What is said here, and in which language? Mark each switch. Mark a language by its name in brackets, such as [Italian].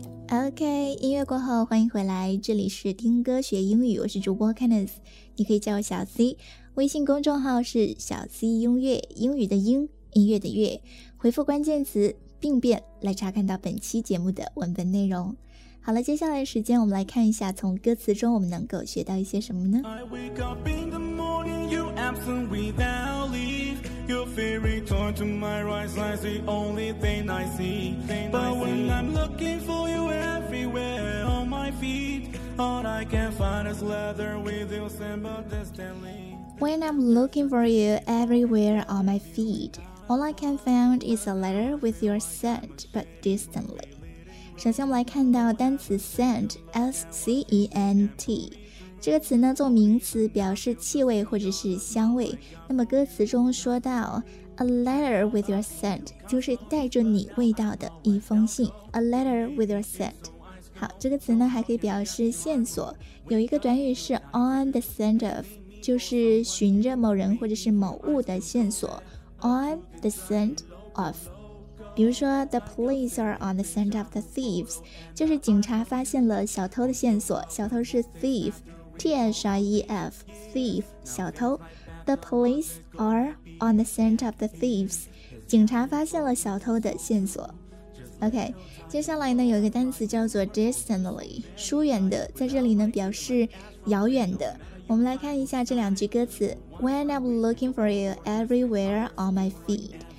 [Chinese] OK， 音乐过后欢迎回来，这里是听歌学英语，我是主播 Kenneth， 你可以叫我小 C， 微信公众号是小 C 音乐，英语的英，音乐的乐，回复关键词病变来查看到本期节目的文本内容。好了，接下来时间我们来看一下从歌词中我们能够学到一些什么呢。 [English] I wake up in the morning, you absent without leave. Your fairy torn to my right side, the only thing I see. But when I'm looking for you everywhere on my feet, All I can find is leather with your symbol distantly. When I'm looking for you everywhere on my feet, all I can find is a letter with your scent but distantly. [Chinese] 首先我们来看到单词 scent, S-C-E-N-T。这个词呢做名词表示气味或者是香味。那么歌词中说到 [English] A letter with your scent [Chinese] 就是带着你味道的一封信。 [English] A letter with your scent。 [Chinese] 好，这个词呢还可以表示线索。有一个短语是 [English] on the scent of, [Chinese] 就是寻着某人或者是某物的线索。 [English] On the scent of。 [Chinese] 比如说 [English] The police are on the scent of the thieves, [Chinese] 就是警察发现了小偷的线索。小偷是 thief。 T-H-I-E-F, thief, 小偷 [English] The police are on the scent of the thieves [Chinese] 警察发现了小偷的线索 OK, 接下来呢有一个单词叫做 distantly 疏远的在这里呢表示遥远的我们来看一下这两句歌词 [English] When I'm looking for you everywhere on my feet